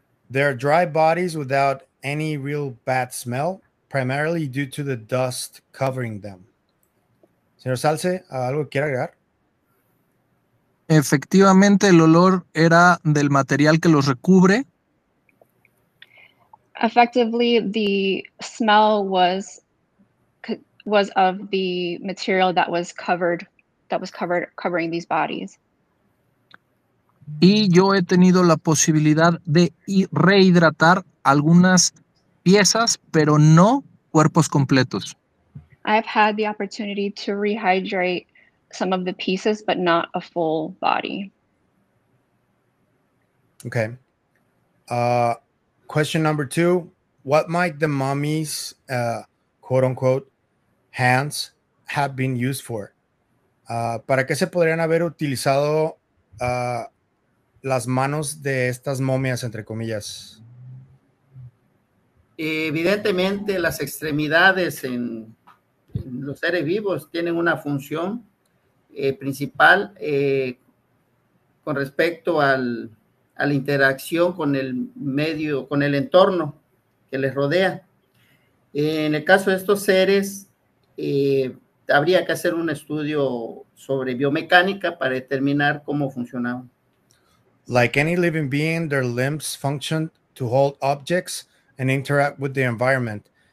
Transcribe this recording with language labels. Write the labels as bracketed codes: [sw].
[en] They're dry bodies without any real bad smell, primarily due to the dust covering them. [es] Señor Salce, ¿algo que quiera agregar? Efectivamente, el olor era del material que los recubre. [en] Effectively, the smell was of the material that was covered, covering these bodies. [es] Y yo he tenido la posibilidad de rehidratar algunas piezas, pero no cuerpos completos. [en] I've had the opportunity to rehydrate some of the pieces, but not a full body. Okay. Question number two, what might the mummy's quote unquote hands have been used for? [es] ¿Para qué se podrían haber utilizado las manos de estas momias, entre comillas? Evidentemente, las extremidades en los seres vivos tienen una función principal con respecto a la interacción con el medio, con el entorno que les rodea. En el caso de estos seres, habría que hacer un estudio sobre biomecánica para determinar cómo funcionaban. [en] Like any living being, their limbs function to hold objects and interact with the environment.